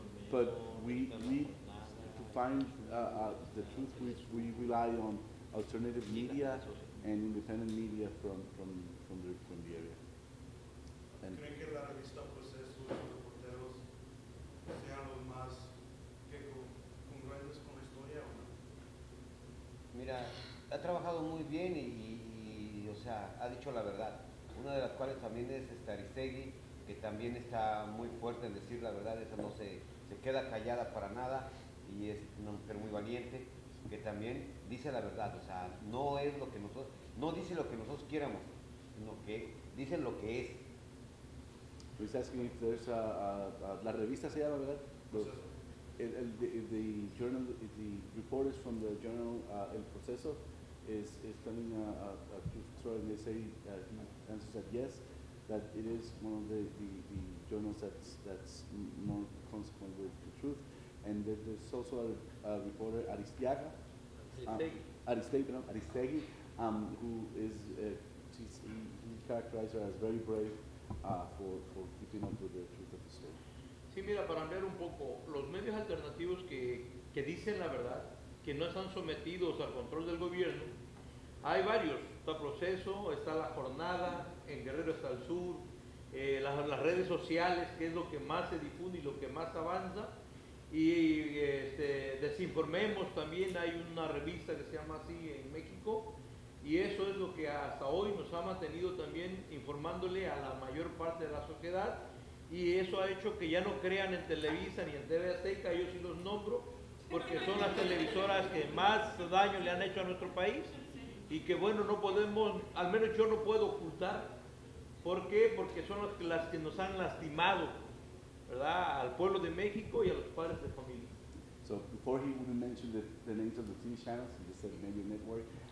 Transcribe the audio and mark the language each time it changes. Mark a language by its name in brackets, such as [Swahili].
[English] But we need to find the truth. We rely on alternative media and independent media from the area. [Spanish] And ¿creen que la revista Proceso y los reporteros sean los más congruentes con la historia o no? Mira, ha trabajado muy bien y o sea, ha dicho la verdad. Una de las cuales también es Aristegui, que también está muy fuerte en decir la verdad, esa no se queda callada para nada, y es una mujer muy valiente, que también dice la verdad, o sea, no es lo que nosotros, no dice lo que nosotros queramos, sino que dice lo que es. [English] He's asking if there's [Spanish] la revista se llama, ¿verdad? [English] The reporters from the journal El Proceso is telling a truth story, and they say he answers that yes, that it is one of the journals that's more consequent with the truth. And there's also a reporter, Aristiaga, Aristegui, who is, he characterized her as very brave for keeping up with the truth of the story. [Spanish] Sí, mira, para ampliar un poco, los medios alternativos que dicen la verdad, que no están sometidos al control del gobierno, hay varios. Está Proceso, está La Jornada, en Guerrero está El Sur, las redes sociales, que es lo que más se difunde y lo que más avanza. Y Desinformemos también, hay una revista que se llama así en México, y eso es lo que hasta hoy nos ha mantenido también informándole a la mayor parte de la sociedad, y eso ha hecho que ya no crean en Televisa ni en TV Azteca. Yo sí los nombro porque son las televisoras que más daño le han hecho a nuestro país, y que bueno, no podemos, al menos yo no puedo ocultar ¿Por qué? Porque son las que nos han lastimado, ¿verdad? Al pueblo de México y a los padres de familia. [English] So before he even mentioned the names of the TV channels, he just said Media Network.